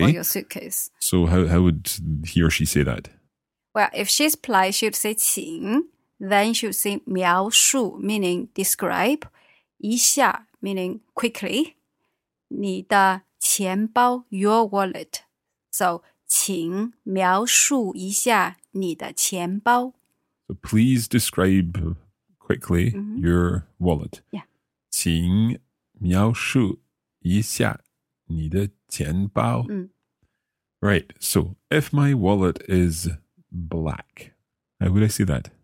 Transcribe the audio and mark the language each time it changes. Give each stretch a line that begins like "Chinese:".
English: Or your suitcase. So how would he or she say that? Well, if she's polite, she would say 请. Then she would say 描述, meaning describe. 一下 meaning quickly, 你的钱包 your wallet. So,
Chinese: 请描述一下你的钱包。
English: So, please describe quickly your wallet. Yeah.
Chinese: 请描述一下你的钱包。
English: Right, so if my wallet is black, how would I say that?